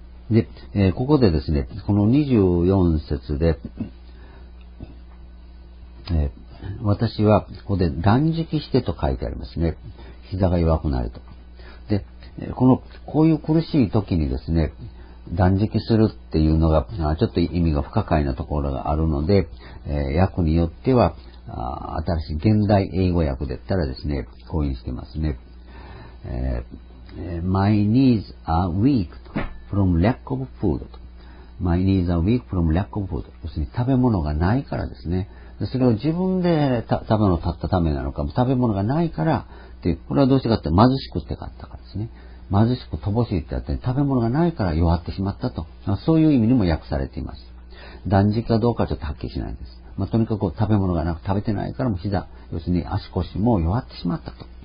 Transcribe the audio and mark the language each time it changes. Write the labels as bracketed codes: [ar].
[ja] で、ここでですね、この24節で私はここで断食してと書いてありますね。膝が弱くなると。で、このこういう苦しい時にですね、断食するっていうのがちょっと意味が不可解なところがあるので、訳によっては新しい現代英語訳で言ったらですね、こういうにしてますね。 [en] My knees are weak from lack of food. My knees are weak from lack of food. [ja] 要するに食べ物がないからですね。それを自分で食べ物を買ったためなのか、食べ物がないからっていう、これはどうしてかって貧しくって買ったからですね。貧しく乏しいってあって、食べ物がないから弱ってしまったと、まあ、そういう意味にも訳されています。断食かどうかはちょっとはっきりしないんです、まあ、とにかく食べ物がなく食べてないからも膝、要するに足腰も弱ってしまったと。